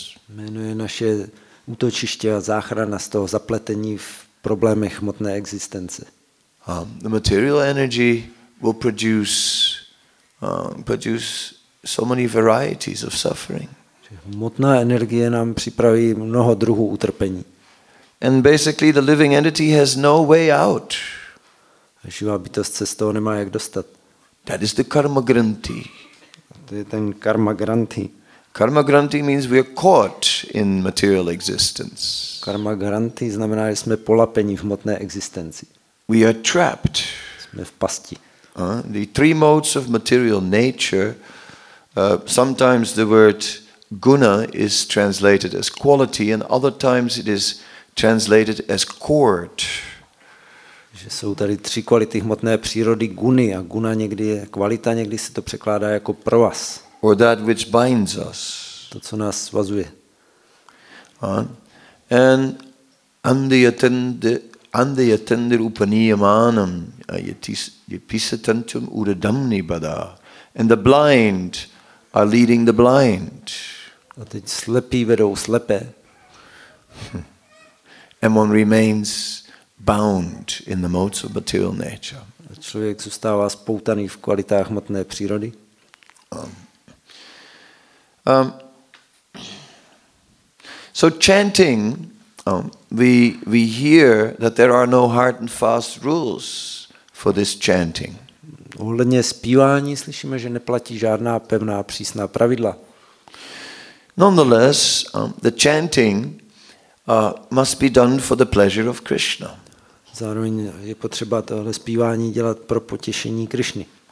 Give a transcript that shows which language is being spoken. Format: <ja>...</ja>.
<cs>Jméno je naše útočiště a záchrana z toho zapletení v problémech hmotné existence.</cs> <en>The material energy will produce so many varieties of suffering.</en> <cs>Hmotná energie nám připraví mnoho druhů utrpení.</cs> <en>And basically the living entity has no way out.</en> <cs>A živá bytost se z toho nemá jak dostat.</cs> <en>That is the karma granti.</en> <cs>To je ten karma granti.</cs> <en>Karma granti means we are caught in material existence.</en> <cs>Karma granti znamená, že jsme polapeni v hmotné existenci.</cs> <en>We are trapped.</en> <cs>Jsme v pasti.</cs> <en>The three modes of material nature, sometimes the word guna is translated as quality and other times it is translated as cord.</en> <cs>Že jsou tady tři kvality hmotné přírody, guny, a guna někdy je kvalita, někdy se to překládá jako provaz.</cs> <en>Or that which binds us.</en> <cs>To, co nás svazuje.</cs> <en>And</en> <sa>andi atendir upaniyamanam yapisatantum uradamni bada.</sa> <en>And the blind are leading the blind.</en> <cs>A teď slepí vedou slepé.</cs> <en>And one remains bound in the modes of material nature.</en> <cs>Člověk zůstává spoutaný v kvalitách hmotné přírody.</cs> <en>So chanting, we hear that there are no hard and fast rules for this chanting.</en> <cs>Ohledně zpívání slyšíme, že neplatí žádná pevná přísná pravidla.</cs> <en>Nonetheless, the chanting must be done for the pleasure of Krishna.</en> <cs>Zároveň je potřeba tohle zpívání dělat pro potěšení Krišny.</cs>